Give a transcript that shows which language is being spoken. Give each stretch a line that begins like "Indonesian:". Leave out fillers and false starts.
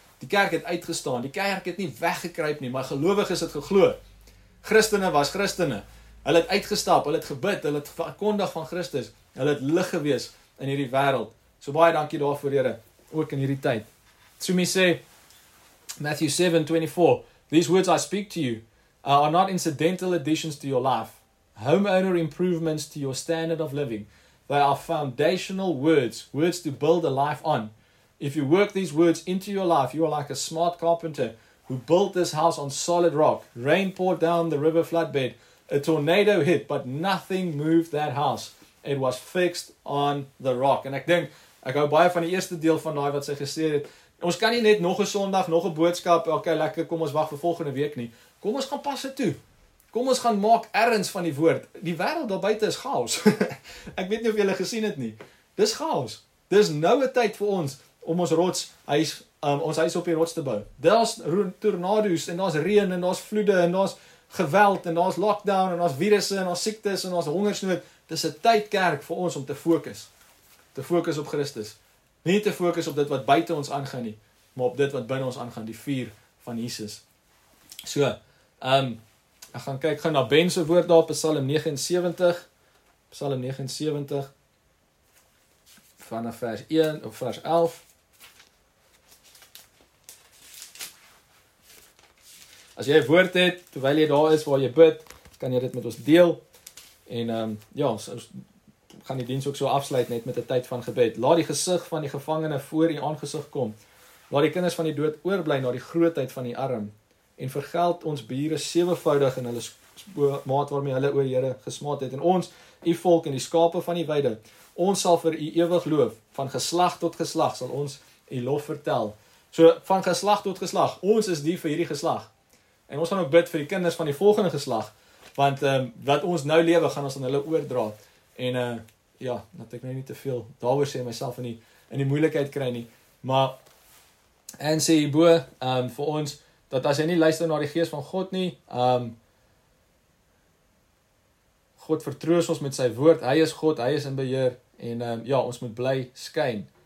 Afrikaans: Die kerk het uitgestaan. Die kerk het nie weggekruip nie, maar gelowiges het geglo. Christene was Christene. Hulle het uitgestap, hulle het gebid, hulle het verkondig van Christus. Hulle het lig gewees in hierdie wêreld. So baie dankie daarvoor, Here, ook in hierdie tyd.
English: Tsumi sê Matthew 7:24, "These words I speak to you are not incidental additions to your life, homeowner improvements to your standard of living. They are foundational words, words to build a life on. If you work these words into your life, you are like a smart carpenter who built this house on solid rock. Rain poured down the river floodbed. A tornado hit, but nothing moved that house. It was fixed on the rock."
Afrikaans: And ek dink, ek hou baie van die eerste deel van daai wat sy gesê het, ons kan nie net nog 'n Sondag, nog 'n boodskap, okay, lekker, kom ons wag vir volgende week nie. Kom ons gaan pas dit toe. Kom ons gaan maak erns van die woord. Die wêreld daar buite is chaos. Ek weet nie of julle gesien het nie. Dis chaos. Dis nou 'n tyd vir ons om ons rots huis ons huis op die rots te bou. Daar's tornado's en daar's reën en daar's vloede en daar's geweld en daar's lockdown en daar's virusse en daar's siektes en daar's hongersnood. Dis 'n tyd kerk vir ons om te fokus. Te fokus op Christus. Nie te fokus op dit wat buite ons aangaan nie, maar op dit wat binne ons aangaan, die vuur van Jesus. So ek gaan kyk gaan na Ben se woord daar op Psalm 79. Psalm 79 vanaf vers 1 of vers 11. as jy 'n woord het, terwyl jy daar is waar jy bid, kan jy dit met ons deel. En ja, ons gaan die diens ook so afsluit net met 'n tyd van gebed. Laat die gesig van die gevangene voor die aangesig kom. Laat die kinders van die dood oorbly na die grootheid van die arm. En vergeld ons bure sewevoudig in hulle maat waarmee hulle oor Here gesmaat het. En ons, u volk en die skape van die weide, ons sal vir u ewig loof. Van geslag tot geslag sal ons u lof vertel. So, van geslag tot geslag, ons is die vir hierdie geslag. En ons gaan ook bid vir die kinders van die volgende geslag, want wat ons nou lewe, gaan ons aan hulle oordra. En ja, dat ek nou nie te veel daaroor sê, myself in die moeilikheid kry nie. Maar, en sê hierbo, vir ons, dat as jy nie luister na die gees van God nie, God vertroos ons met sy woord, hy is God, hy is in beheer, en ja, ons moet bly skyn.